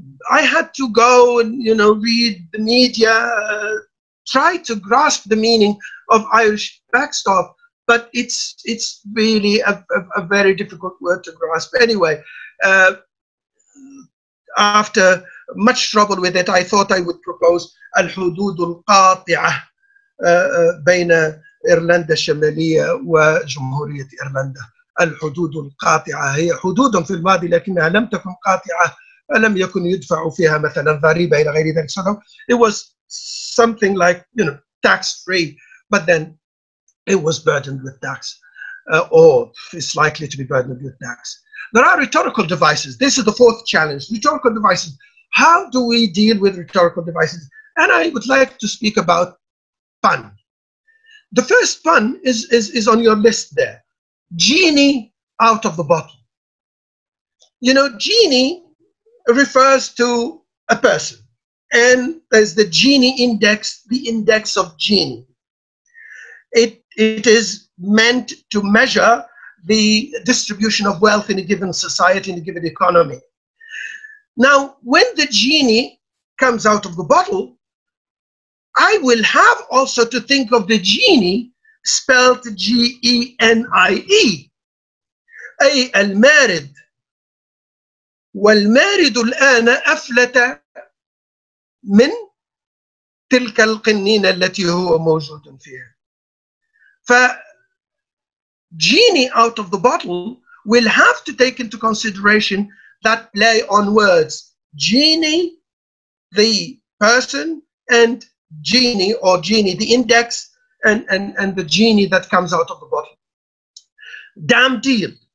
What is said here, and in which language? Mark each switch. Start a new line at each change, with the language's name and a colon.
English: I had to go and, read the media, try to grasp the meaning of Irish backstop, but it's really a very difficult word to grasp. Anyway, after much trouble with it, I thought I would propose
Arabic: Al-Hududul Qati'ah بين إيرلندا الشمالية وجمهورية إيرلندا. الحدود القاطعة هي حدود في الماضي لكنها لم تكن قاطعة فلم يكن يدفع فيها مثلا ضريبة إلى غير ذلك.
English: So it was something like, tax free, but then it was burdened with tax, or it's likely to be burdened with tax. There are rhetorical devices. This is the fourth challenge, rhetorical devices. How do we deal with rhetorical devices? And I would like to speak about pun. The first pun is on your list there. genie out of the bottle. You know, genie refers to a person, and there's the genie index, the index of genie. It is meant to measure the distribution of wealth in a given society, in a given economy. Now, when the genie comes out of the bottle, I will have also to think of the genie spelled G-E-N-I-E.
Arabic: أي المارد والمارد الآن أفلت من تلك القنينة التي هو موجود فيها.
English: فجيني out of the bottle will have to take into consideration that play on words. Genie, the person, and genie or genie, the index, and the genie that comes out of the bottle. Damn deal.